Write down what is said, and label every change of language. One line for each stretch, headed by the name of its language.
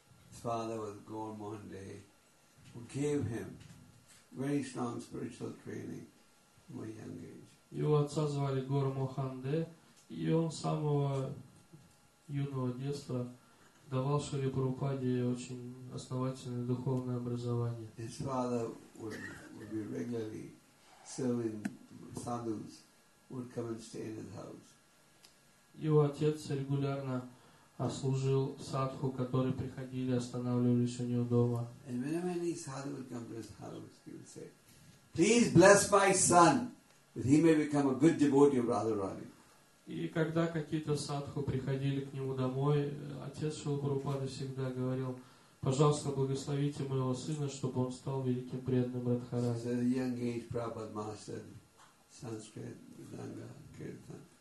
English: His father was Gormandey, who gave him very strong spiritual training from a young age.
Russian: Его отца звали Гор Моханде, и он с самого юного детства давал Шри Прабхупаде очень основательное духовное образование.
English: His father would be regularly serving sadhus, would come and stay in his house.
Russian: Его отец регулярно служил садху, которые приходили, останавливались у него дома.
English: And whenever any sadhu would come to his house, he would say, "Please bless my son, that he may become a good devotee of Radharani."
Russian: И когда какие-то садху приходили к нему домой, отец Шрилы Прабхупады всегда говорил: "Пожалуйста, благословите моего сына, чтобы он стал великим преданным Радхарани."
English: So at a young age, Prabhupada mastered Sanskrit, Vedanga, Kirtan.